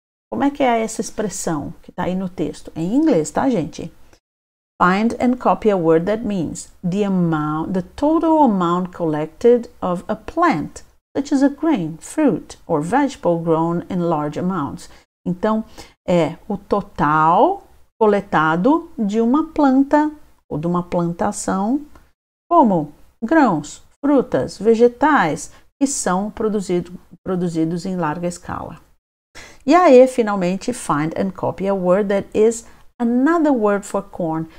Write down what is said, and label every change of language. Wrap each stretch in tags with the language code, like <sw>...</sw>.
<pt>Como é que é essa expressão que está aí no texto? Em inglês, tá, gente?</pt> <en>Find and copy a word that means the amount, the total amount collected of a plant, such as a grain, fruit or vegetable grown in large amounts.</en> <pt>Então, é o total coletado de uma planta ou de uma plantação, como grãos, frutas, vegetais, que são produzidos em larga escala. E aí, finalmente,</pt> <en>find and copy a word that is another word for corn.</en>